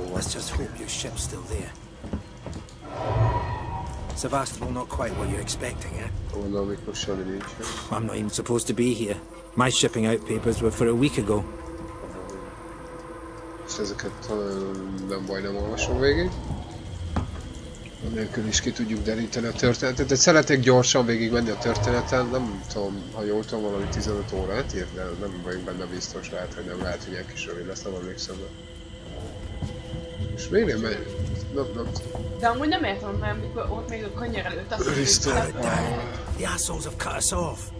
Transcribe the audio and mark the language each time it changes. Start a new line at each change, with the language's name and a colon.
English: let's just hope your ship's still there. Sevastopol not quite what you're expecting, eh? Oh no, we push on the new ship. I'm not even supposed to be here. My shipping out papers were for a week ago.
Hungarian: Ez a nem baj, nem olvasom végig. Anélkül is ki tudjuk deríteni a történetet, de szeretek gyorsan végigmenni a történeten, nem tudom, ha jól tudom, valami 15 órát ír, de nem vagyunk benne biztos, lehet, hogy nem lehet, hogy ilyen kis rövid lesz, nem emlékszem. És miért megy? Nem. De amúgy nem értem, mert amikor ott még a kanyar előtt azt mondjuk, hogy...
English: The assholes have cut us off.